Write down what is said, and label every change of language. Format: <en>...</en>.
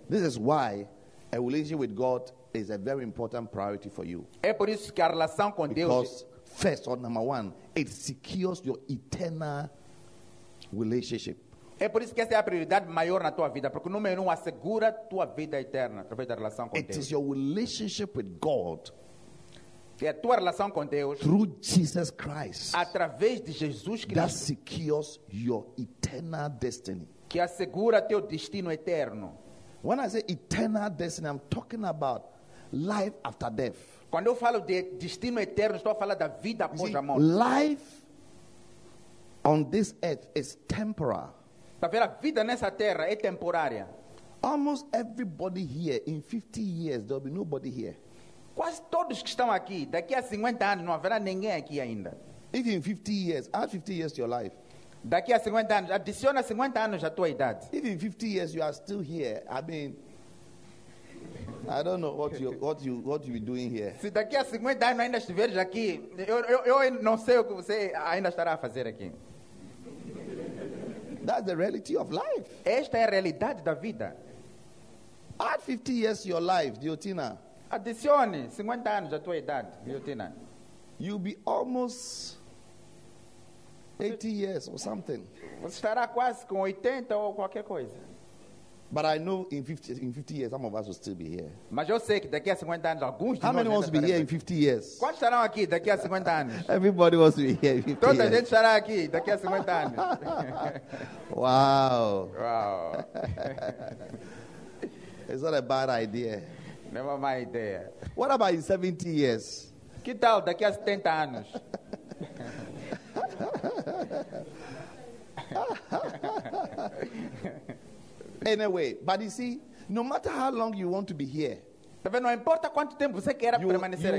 <en>This is why a relationship with God is a very important priority for you.</en> <pt>É por isso que a relação com</pt> <en>Because</en> <pt>Deus.</pt> <en>First, or number one, it secures your eternal relationship.</en> <pt>É por isso que essa é a prioridade maior na tua vida, porque número um assegura a tua vida eterna através da relação com</pt> <en>it</en> <pt>Deus.</pt> <en>It is your relationship with God.</en> <pt>É a tua relação com Deus.</pt> <en>Through Jesus Christ.</en> <pt>Através de Jesus Cristo.</pt> <en>That secures your eternal destiny.</en> <pt>Que assegura teu destino eterno.</pt> <en>When I say eternal destiny, I'm talking about life after death.</en> <pt>Quando eu falo de destino eterno, estou a falar da vida após</pt> <en>see,</en> <pt>a morte.</pt> <en>Life on this earth is temporal.</en> <pt>Tá vendo? A vida nessa terra é temporária.</pt> <en>Almost everybody here, in 50 years, there'll be nobody here.</en> <pt>Quase todos que estão aqui, daqui a 50 anos não haverá ninguém aqui ainda.</pt> <en>Even 50 years, add 50 years to your life.</en> <pt>Daqui a 50 anos, adiciona 50 anos à tua idade.</pt> <en>Even 50 years you are still here. I mean, I don't know what you be doing here.</en> <pt>Se daqui a 50 anos ainda estiveres aqui, eu não sei o que você ainda estará a fazer aqui.</pt> <en>That's the reality of life.</en> <pt>Esta é a realidade da vida.</pt> <en>Add 50 years to your life, Diotina.</en> <pt>Adicione 50 anos à tua idade, Diotina.</pt> <en>You'll be almost 80 years or something.</en> <pt>Você estará quase com 80 ou qualquer coisa.</pt> <en>But I know in 50 years some of us will still be here.</en> <pt>Mas eu sei que daqui a 50 anos alguns de</pt> <en>nós. How many wants to be here in 50 years?</en> <pt>Quantos estarão aqui daqui a 50 anos?</pt> <en>Everybody wants to be here.</en> <pt>Toda a gente estará aqui daqui a 50 anos. Wow. Wow.</pt> <en>It's not a bad idea.</en> <pt>Não é uma má ideia.</pt> <en>What about in 70 years?</en> <pt>Que tal daqui a 70 anos?</pt> <en>Anyway, but you see, no matter how long you want to be here,</en> <pt>não importa quanto tempo você queira permanecer aqui,</pt>